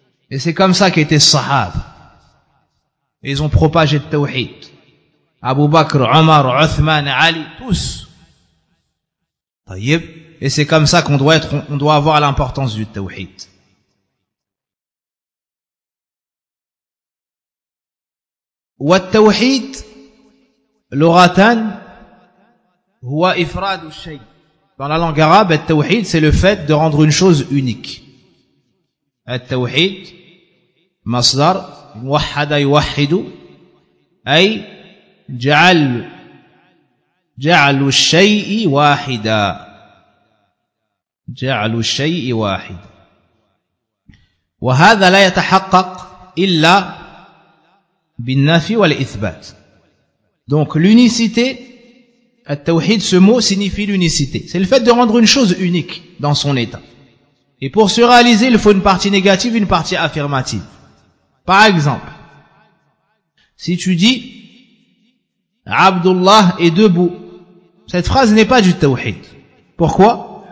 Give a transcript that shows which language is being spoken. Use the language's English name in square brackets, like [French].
[French] Et c'est comme ça qu'étaient sahab. Ils ont propagé le tawhid. Abu Bakr, Omar, Uthman, Ali, tous. Tayyib. Et c'est comme ça qu'on doit être, on doit avoir l'importance du tawhid. [Arabic] والتوحيد لغة هو إفراد الشيء. [French] Dans la langue arabe, التوحيد c'est le fait de rendre une chose unique. [Arabic] التوحيد مصدر موحد يوحد أي جعل الشيء واحدا جعل الشيء واحدا وهذا لا يتحقق إلا بالنفي والإثبات. [French] Donc l'unicité, التوحيد, ce mot signifie l'unicité. C'est le fait de rendre une chose unique dans son état. Et pour se réaliser, il faut une partie négative, une partie affirmative. Par exemple, si tu dis Abdullah est debout, cette phrase n'est pas du tawhid. Pourquoi?